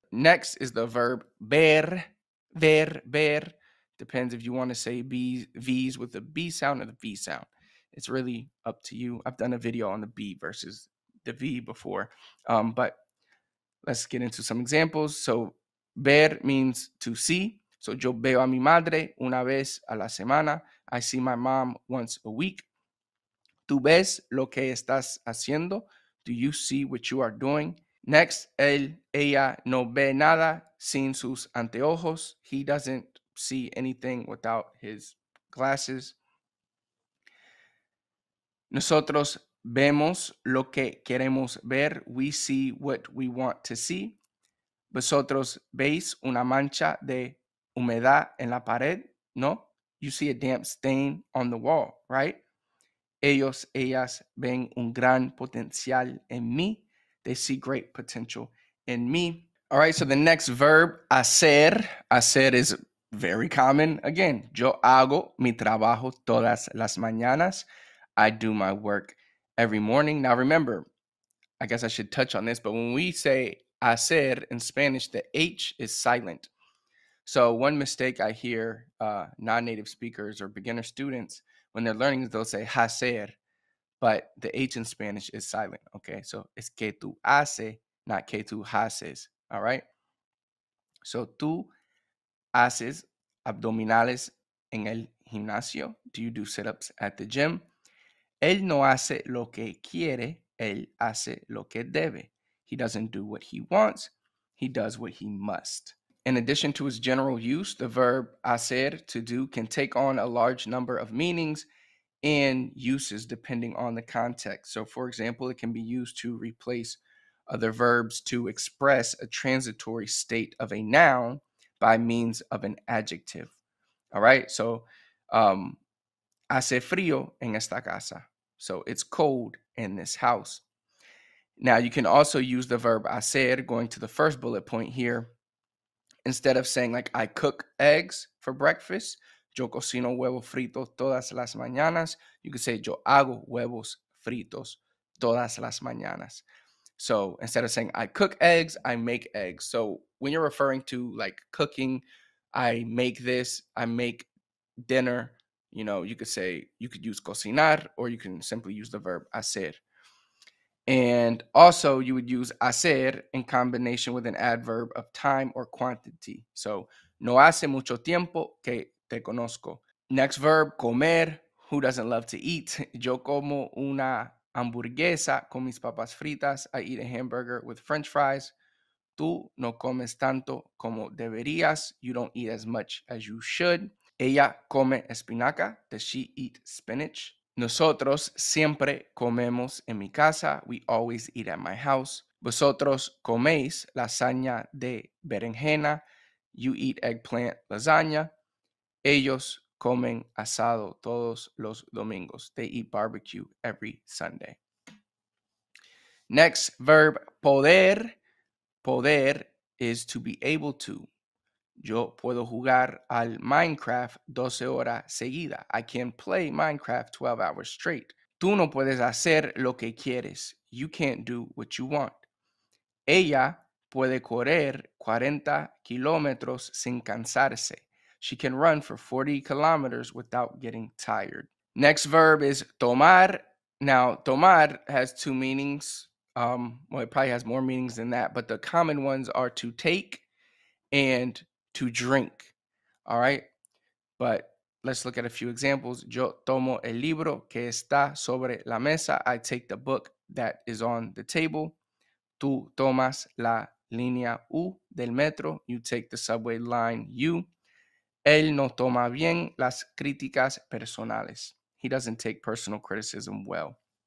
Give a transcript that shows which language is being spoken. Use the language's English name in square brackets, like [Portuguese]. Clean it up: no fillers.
[English] Next is the verb ver, ver, ver. Depends if you want to say V's with the B sound or the V sound. It's really up to you. I've done a video on the B versus the V before, but let's get into some examples. So ver means to see. [Spanish] So yo veo a mi madre una vez a la semana. [English] I see my mom once a week. [Spanish] Tú ves lo que estás haciendo. [English] Do you see what you are doing? [Spanish] Next, él, ella no ve nada sin sus anteojos. [English] He doesn't see anything without his glasses. [Spanish] Nosotros vemos lo que queremos ver. [English] We see what we want to see. [Spanish] Vosotros veis una mancha de humedad en la pared, ¿no? [English] You see a damp stain on the wall, right? [Spanish] Ellos, ellas ven un gran potencial en mí. [English] They see great potential in me. All right, so the next verb, hacer. Hacer is very common. [Spanish] Again, yo hago mi trabajo todas las mañanas. [English] I do my work every morning. Now remember, I guess I should touch on this, but when we say hacer in Spanish, the H is silent. So one mistake I hear non-native speakers or beginner students, when they're learning, they'll say hacer, but the H in Spanish is silent, okay? [Spanish] So es que tú haces, not que tú haces, all right? So tú haces abdominales en el gimnasio. [English] Do you do sit-ups at the gym? [Spanish] Él no hace lo que quiere, él hace lo que debe. [English] He doesn't do what he wants, he does what he must. In addition to its general use, the verb hacer, to do, can take on a large number of meanings and uses depending on the context. So for example, it can be used to replace other verbs to express a transitory state of a noun by means of an adjective. All right, so [Spanish] hace frío en esta casa. [English] So it's cold in this house. Now you can also use the verb hacer, going to the first bullet point here, instead of saying like I cook eggs for breakfast, [Spanish] yo cocino huevos fritos todas las mañanas, [English] you could say [Spanish] yo hago huevos fritos todas las mañanas. [English] So instead of saying I cook eggs, I make eggs. So when you're referring to like cooking, I make this, I make dinner, you know, you could say, you could use cocinar, or you can simply use the verb hacer. And also you would use hacer in combination with an adverb of time or quantity. [Spanish] So no hace mucho tiempo que te conozco. [English] Next verb, [Spanish] comer. [English] Who doesn't love to eat? [Spanish] Yo como una hamburguesa con mis papas fritas. [English] I eat a hamburger with french fries. [Spanish] Tú no comes tanto como deberías. [English] You don't eat as much as you should. [Spanish] Ella come espinaca. [English] Does she eat spinach? [Spanish] Nosotros siempre comemos en mi casa. [English] We always eat at my house. [Spanish] Vosotros coméis lasaña de berenjena. [English] You eat eggplant lasagna. [Spanish] Ellos comen asado todos los domingos. [English] They eat barbecue every Sunday. Next verb, poder. Poder is to be able to. [Spanish] Yo puedo jugar al Minecraft 12 horas seguida. [English] I can play Minecraft 12 hours straight. [Spanish] Tú no puedes hacer lo que quieres. [English] You can't do what you want. [Spanish] Ella puede correr 40 kilómetros sin cansarse. [English] She can run for 40 kilometers without getting tired. Next verb is tomar. Now, tomar has two meanings. Well, it probably has more meanings than that, but the common ones are to take and to drink. All right. But let's look at a few examples. [Spanish] Yo tomo el libro que está sobre la mesa. [English] I take the book that is on the table. [Spanish] Tú tomas la línea U del metro. [English] You take the subway line U. [Spanish] Él no toma bien las críticas personales. [English] He doesn't take personal criticism well.